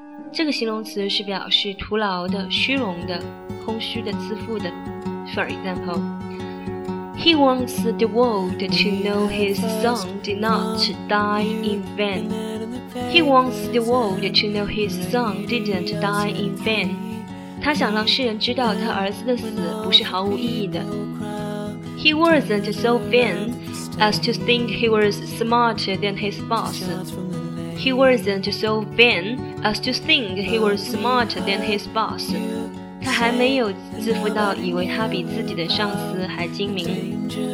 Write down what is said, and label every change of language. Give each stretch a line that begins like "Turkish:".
Chinese: 这个形容词是表示徒劳的、虚荣的、空虚的、自负的。
English: For example, he wants the world to know his son did not die in vain. He wants the world to know his son didn't die in vain.
Chinese: 他想让世人知道他儿子的死不是毫无意义的。
English: He wasn't so vain. As to think he was smarter than his boss. He wasn't so vain as to think he was smarter than his boss.
Chinese: 他还没有自负到以为他比自己的上司还精明。